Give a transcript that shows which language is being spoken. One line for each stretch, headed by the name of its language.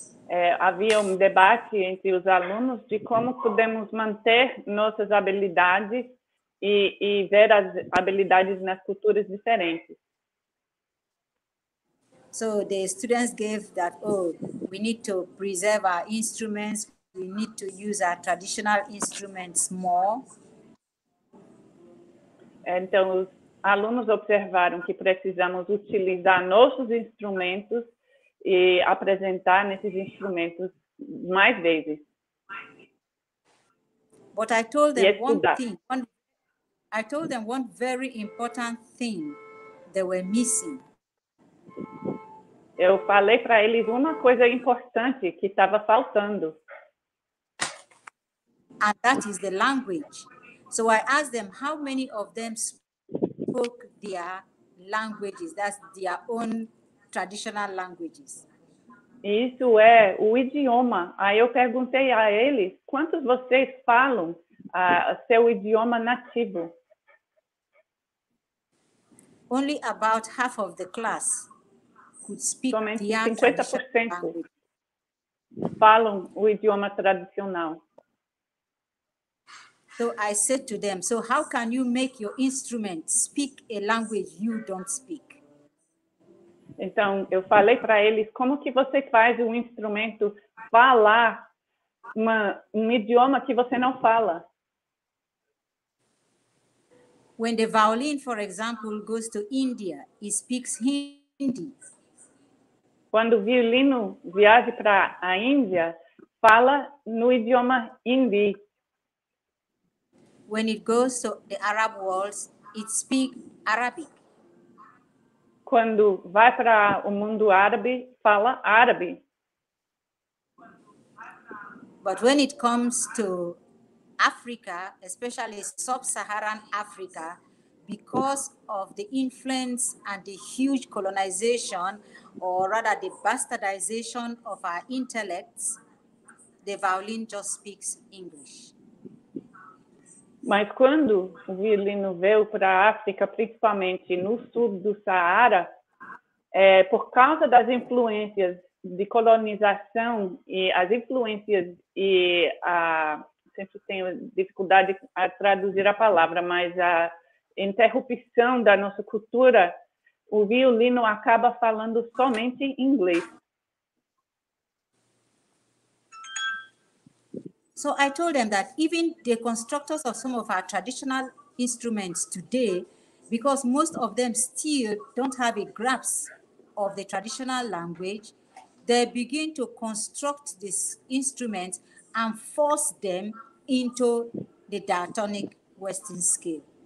Portuguese: Havia um debate entre os alunos de como podemos manter nossas habilidades e ver as habilidades nas culturas diferentes.
English: So the students gave that, oh, we need to preserve our instruments, we need to use our traditional instruments more.
Portuguese: Então, os alunos observaram que precisamos utilizar nossos instrumentos e apresentar nesses instrumentos mais vezes.
English: But I told them one very important thing they were missing.
Portuguese: Eu falei para eles uma coisa importante que estava faltando.
English: and that is the language. So I asked them how many of them spoke their languages, that's their own traditional languages.
Portuguese: Isso é o idioma. Aí eu perguntei a eles quantos vocês falam seu idioma nativo.
English: Only about half of the class could speak
Portuguese: somente
English: their
Portuguese: 50%
English: traditional language.
Portuguese: Falam o idioma tradicional.
English: So I said to them, so how can you make your instrument speak a language you don't speak?
Portuguese: Então, eu falei para eles, como que você faz um instrumento falar um idioma que você não fala?
English: When the violin, for example, goes to India, it speaks Hindi.
Portuguese: Quando o violino viaja para a Índia, fala no idioma Hindi.
English: When it goes to the Arab worlds, it speaks Arabic.
Portuguese: Quando vai para o mundo árabe, fala árabe.
English: But when it comes to Africa, especially sub-Saharan Africa, because of the influence and the huge colonization, or rather the bastardization of our intellects, the violin just speaks English.
Portuguese: Mas quando o violino veio para a África, principalmente no sul do Saara, por causa das influências de colonização e as influências e a... Sempre tenho dificuldade a traduzir a palavra, mas a interrupção da nossa cultura, o violino acaba falando somente inglês.
English: So I told them that even the constructors of some of our traditional instruments today, because most of them still don't have a grasp of the traditional language, they begin to construct these instruments and force them into the diatonic Western scale.